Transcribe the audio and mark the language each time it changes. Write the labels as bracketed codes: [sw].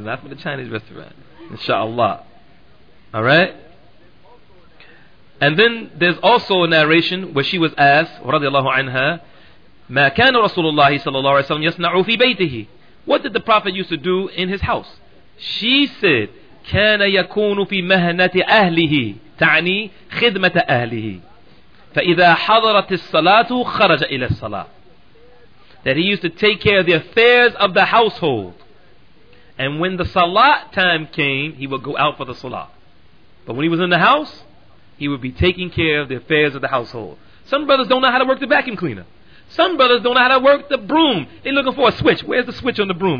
[en] Not from the Chinese restaurant. Inshallah. Alright? And then there's also a narration where she was asked, radiallahu anha, [ar] مَا كَانَ رَسُولُ اللَّهِ صَلَى اللَّهُ عَلَيْهِ وَسَلَّمْ يَصْنَعُ فِي بَيْتِهِ. [en] What did the Prophet used to do in his house? She said, [ar] كَانَ يَكُونُ فِي مَهْنَةِ أَهْلِهِ تعني خدمة أهله فإذا حضرت الصلاة خرج إلى الصلاة. [en] That he used to take care of the affairs of the household, and when the salat time came, he would go out for the salat. But when he was in the house, He would be taking care of the affairs of the household. Some brothers don't know how to work the vacuum cleaner. Some brothers don't know how to work the broom. They're looking for a switch. Where's the switch on the broom?